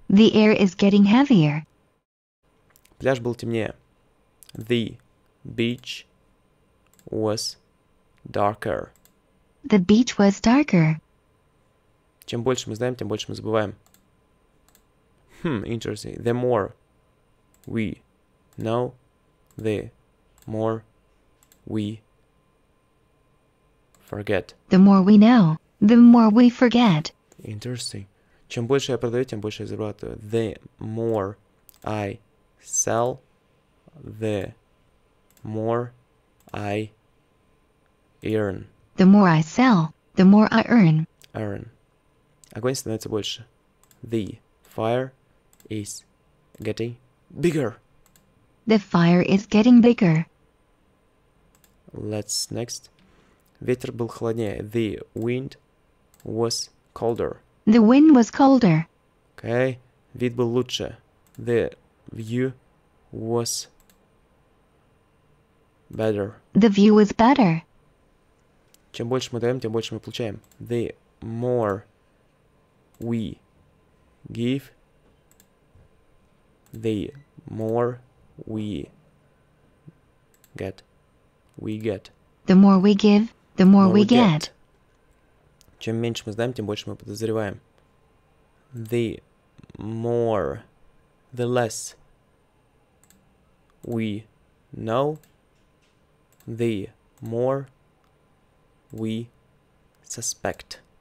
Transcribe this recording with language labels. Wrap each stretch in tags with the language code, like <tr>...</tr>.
<en>The air is getting heavier.</en> <ru>Пляж был темнее.</ru> <en>The beach was darker. The beach was darker.</en> <ru>Чем больше мы знаем, тем больше мы забываем.</ru> <en>Interesting. The more we know, the more we forget. The more we know, the more we forget. Interesting.</en> <ru>Чем больше я продаю, тем больше я зарабатываю.</ru> <en>The more I sell, the more I earn. The more I sell, the more I earn. Earn.</en> <ru>Огонь становится больше.</ru> <en>The fire is getting bigger. The fire is getting bigger. Let's next.</en> <ru>Ветер был холоднее.</ru> <en>The wind was colder. The wind was colder. Okay.</en> <ru>Вид был лучше.</ru> <en>The view was better. The view was better.</en> <ru>Чем больше мы даем, тем больше мы получаем.</ru> <en>The more we give, the more we get. We get. The more we give, the more we get.</en> <ru>Чем меньше мы знаем, тем больше мы подозреваем.</ru> <en>The more, the less we know, the more we suspect.</en>